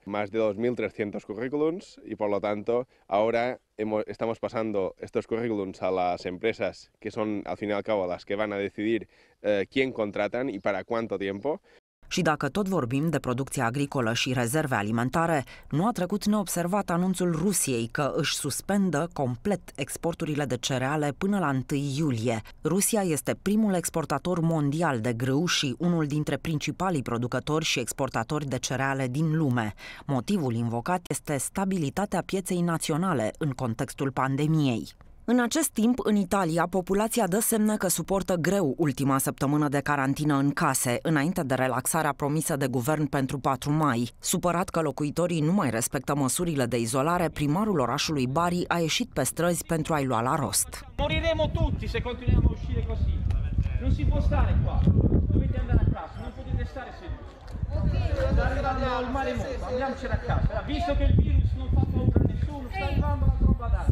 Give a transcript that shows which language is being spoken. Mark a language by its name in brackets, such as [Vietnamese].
[Spanish] Más de 2.300 currículums y, por lo tanto, ahora estamos pasando estos currículums a las empresas que son, al fin y al cabo, las que van a decidir quién contratan y para cuánto tiempo. [Romanian] Și dacă tot vorbim de producție agricolă și rezerve alimentare, nu a trecut neobservat anunțul Rusiei că își suspendă complet exporturile de cereale până la 1 iulie. Rusia este primul exportator mondial de grâu și unul dintre principalii producători și exportatori de cereale din lume. Motivul invocat este stabilitatea pieței naționale în contextul pandemiei. În acest timp, în Italia, populația dă semne că suportă greu ultima săptămână de carantină în case, înainte de relaxarea promisă de guvern pentru 4 mai. Supărat că locuitorii nu mai respectă măsurile de izolare, primarul orașului Bari a ieșit pe străzi pentru a-i lua la rost. [Italian] Moriremo tutti se continuiamo a uscire così. Non si può stare qua. Dovete andare a casa, non potete stare seduti. Sta arrivando il male morto, andiamocene a casa. Visto che il virus non fa paura a nessuno, sta arrivando la tromba d'acqua.